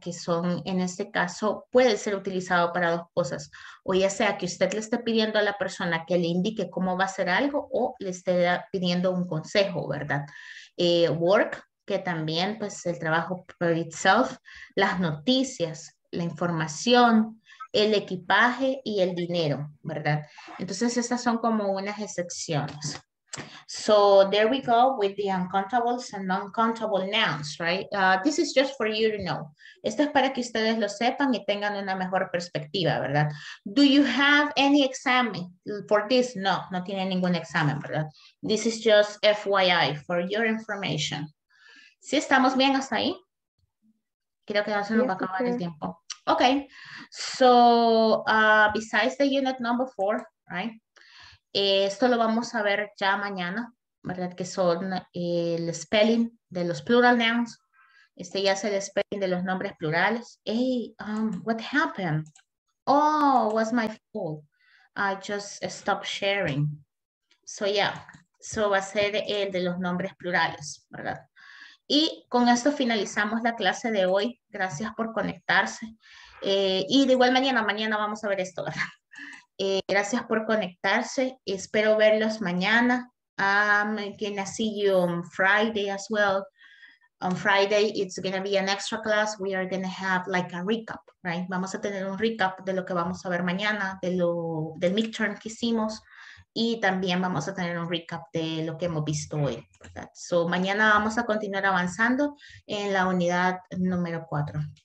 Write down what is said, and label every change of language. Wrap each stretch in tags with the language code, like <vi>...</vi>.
<es>Que son, en este caso, puede ser utilizado para dos cosas, o ya sea que usted le esté pidiendo a la persona que le indique cómo va a hacer algo, o le esté pidiendo un consejo, ¿verdad? Work, que también, pues, el trabajo por itself, las noticias, la información, el equipaje y el dinero, ¿verdad? Entonces, estas son como unas excepciones.</es> <en>So there we go with the uncountables and non-countable nouns, right? This is just for you to know.</en> <es>Esto es para que ustedes lo sepan y tengan una mejor perspectiva, ¿verdad?</es> <en>Do you have any exam for this?</en> <es>No, no tiene ningún examen, ¿verdad?</es> <en>This is just FYI for your information.</en> <es>¿Sí estamos bien hasta ahí? Creo que ya se nos va a acabar el tiempo.</es> <en>Okay. So besides the unit number 4, right?</en> <es>Esto lo vamos a ver ya mañana, ¿verdad? Que son el spelling de los plural nouns. Este ya es el spelling de los nombres plurales.</es> <en>Hey, what happened? Oh, what's my fault? I just stopped sharing.</en> <es>So yeah, so va a ser el de los nombres plurales, ¿verdad? Y con esto finalizamos la clase de hoy. Gracias por conectarse. Y de igual manera, mañana vamos a ver esto, ¿verdad? Gracias por conectarse. Espero verlos mañana.</es> <en>I'm gonna see you on Friday as well. On Friday, it's gonna be an extra class. We are gonna have like a recap, right?</en> <es>Vamos a tener un recap de lo que vamos a ver mañana, del midterm que hicimos. Y también vamos a tener un recap de lo que hemos visto hoy, ¿verdad? So, mañana vamos a continuar avanzando en la unidad número 4.</es>